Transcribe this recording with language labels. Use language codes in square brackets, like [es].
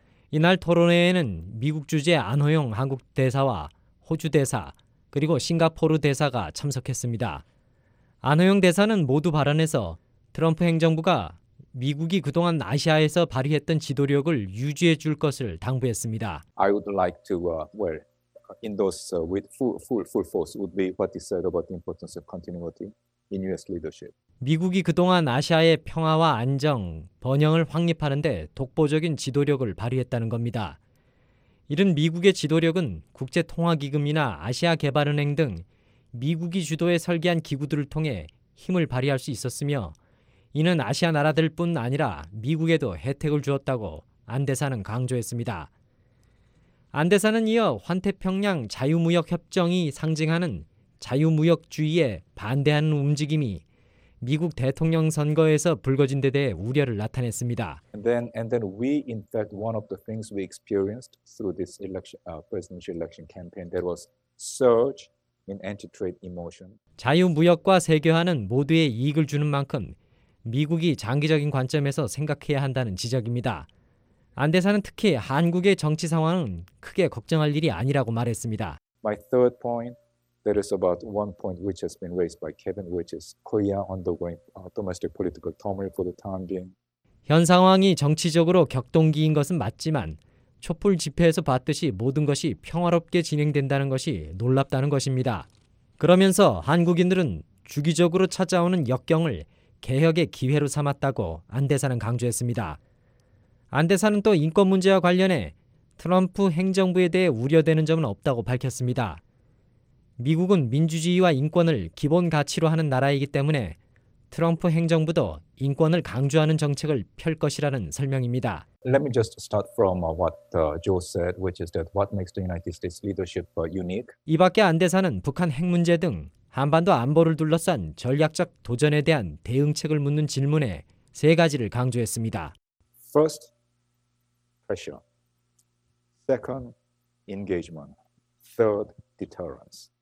[ko] 이날 토론회에는 미국 주재 안호영 한국 대사와 호주 대사 그리고 싱가포르 대사가 참석했습니다. 안호영 대사는 모두 발언에서 트럼프 행정부가 미국이 그동안 아시아에서 발휘했던 지도력을 유지해 줄 것을 당부했습니다. [en] I would like to endorse with full force would be what he said about the importance of continuity in US leadership. [ko] 미국이 그동안 아시아의 평화와 안정, 번영을 확립하는 데 독보적인 지도력을 발휘했다는 겁니다. 이른 미국의 지도력은 국제통화기금이나 아시아개발은행 등 미국이 주도해 설계한 기구들을 통해 힘을 발휘할 수 있었으며 이는 아시아 나라들뿐 아니라 미국에도 혜택을 주었다고 안 대사는 강조했습니다. 안 대사는 이어 환태평양 자유무역협정이 상징하는 자유무역주의에 반대하는 움직임이 미국 대통령 선거에서 불거진 데 대해 우려를 나타냈습니다. [en] And then we in fact one of the things we experienced through this election presidential election campaign there was surge in anti-trade emotion. [ko] 자유 무역과 세계화는 모두의 이익을 주는 만큼 미국이 장기적인 관점에서 생각해야 한다는 지적입니다. 안 대사는 특히 한국의 정치 상황은 크게 걱정할 일이 아니라고 말했습니다. [en] My third point. There is about one point which has been raised by Kevin, which is Korea undergoing domestic political turmoil for the time being. [ko] 현 상황이 정치적으로 격동기인 것은 맞지만 촛불 집회에서 봤듯이 모든 것이 평화롭게 진행된다는 것이 놀랍다는 것입니다. 그러면서 한국인들은 주기적으로 찾아오는 역경을 개혁의 기회로 삼았다고 안 대사는 강조했습니다. 안 대사는 또 인권 문제와 관련해 트럼프 행정부에 대해 우려되는 점은 없다고 밝혔습니다. 미국은 민주주의와 인권을 기본 가치로 하는 나라이기 때문에 트럼프 행정부도 인권을 강조하는 정책을 펼 것이라는 설명입니다. [en] Let me just start from what Joe said, which is that what makes the United States leadership unique. [ko] 이 밖에 안 대사는 북한 핵 문제 등 한반도 안보를 둘러싼 전략적 도전에 대한 대응책을 묻는 질문에 세 가지를 강조했습니다. [en] First, pressure. Second, engagement. Third, deterrence.